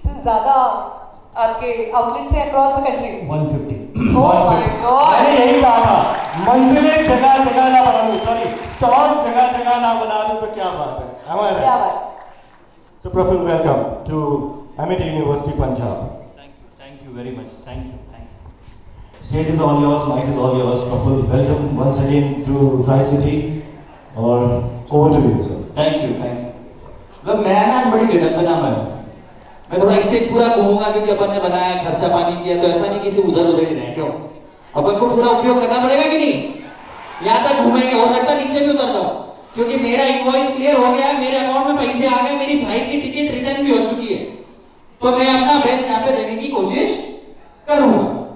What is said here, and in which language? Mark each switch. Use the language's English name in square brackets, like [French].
[Hindi] ज्यादा आपके आउटलेट से [English] across the country [Hindi] 150। [English] oh my God, [Hindi] यही कहा था, मंजिलें जगह जगह ना बना दूं, सॉरी स्टॉल जगह जगह ना बना दूं तो क्या बात है, हमारे क्या बात। [English] So Prafull, welcome to Amity University Punjab. Thank you very much. Thank you Stage is all yours, mic is all yours. Prafull, welcome once again to Tri-City. Or over to you, sir. Thank you. But I have made a big [Hindi] मैं थोड़ा stage पूरा कहूंगा क्योंकि अपन ने बनाया खर्चा पानी किया तो ऐसा नहीं किसी उधर उधर ही रहे क्यों अपन को पूरा उपयोग करना पड़ेगा कि नहीं यहाँ तक घूमेंगे हो सकता नीचे भी उतर जाओ क्योंकि मेरा इनवॉइस क्लियर हो गया है मेरे अकाउंट में पैसे आ गए मेरी फ्लाइट की टिकट रिटर्न भी हो चुकी है तो मैं अपना बेस्ट यहाँ पे देने की कोशिश करूंगा